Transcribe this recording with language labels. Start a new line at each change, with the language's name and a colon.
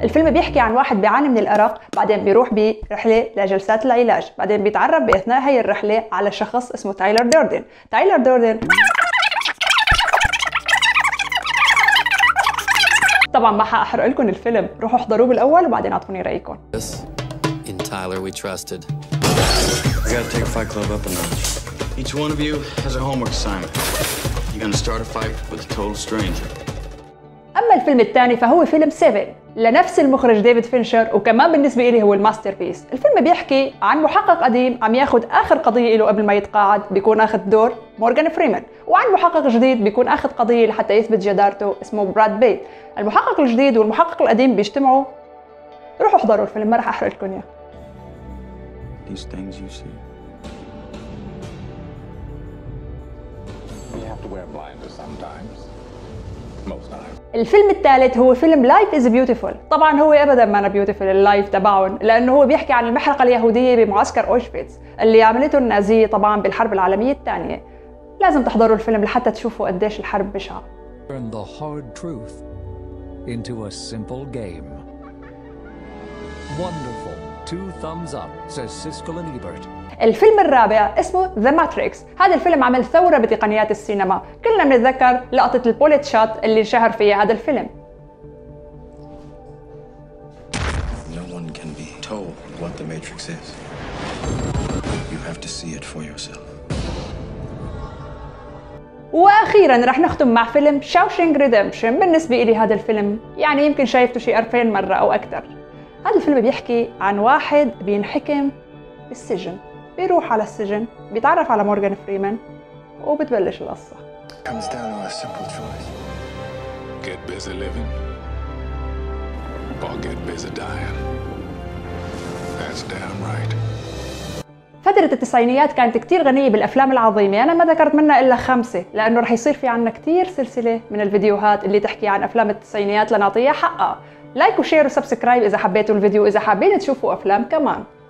Arabic: الفيلم بيحكي عن واحد بيعاني من الأرق، بعدين بيروح برحلة لجلسات العلاج، بعدين بيتعرف بأثناء هاي الرحلة على شخص اسمه تايلر دوردن. تايلر دوردن طبعاً ما حأحرق لكم الفيلم، روحوا احضروه بالأول وبعدين أعطوني رأيكم.
English: Yes. In Tyler we trusted. We gotta take Fight Club up a notch. Each one of you has a homework assignment. You're gonna start a fight with a total stranger.
Arabic: أما الفيلم الثاني فهو فيلم 7 لنفس المخرج ديفيد فينشر، وكمان بالنسبة إلي هو الماستر بيس. الفيلم بيحكي عن محقق قديم عم ياخد آخر قضية له قبل ما يتقاعد، بيكون آخذ دور مورغان فريمان، وعن محقق جديد بيكون آخذ قضية لحتى يثبت جدارته اسمه براد بيت. المحقق الجديد والمحقق القديم بيجتمعوا. روحوا احضروا الفيلم، ما رح أحرق لكم إياه.
English: These things you see. You have to wear blinders sometimes.
Arabic: الفيلم الثالث هو فيلم Life is Beautiful. طبعا هو ابدا ما انا بيوتيفل اللايف تبعهم، لانه هو بيحكي عن المحرقه اليهوديه بمعسكر اوشفيتس اللي عملته النازيه طبعا بالحرب العالميه الثانيه. لازم تحضروا الفيلم لحتى تشوفوا قديش الحرب بشعه.
English: Turn the hard truth into a simple game. Wonderful. Two thumbs up, says Siskel and Ebert.
Arabic: الفيلم الرابع اسمه The Matrix. هذا الفيلم عمل ثورة بتقنيات السينما. كلنا بنتذكر لقطة البوليت شات اللي انشهر فيها هذا الفيلم.
English: No one can be told what the Matrix is. You have to see it for yourself.
Arabic: واخيرا رح نختم مع فيلم Shawshank Redemption. بالنسبة لي هذا الفيلم يعني يمكن شايفته شي 2000 مرة او اكثر. هذا الفيلم بيحكي عن واحد بينحكم بالسجن، بيروح على السجن، بيتعرف على مورغان فريمان، وبتبلش القصة.
English: Comes down to a simple choice. Get busy living or get busy dying. That's damn right.
Arabic: فترة التسعينيات كانت كتير غنية بالأفلام العظيمة، أنا ما ذكرت منها إلا 5 لأنه رح يصير في عنا كتير سلسلة من الفيديوهات اللي تحكي عن أفلام التسعينيات لنعطيها حقها. لايك وشير وسبسكرايب إذا حبيتوا الفيديو، إذا حابين تشوفوا أفلام كمان.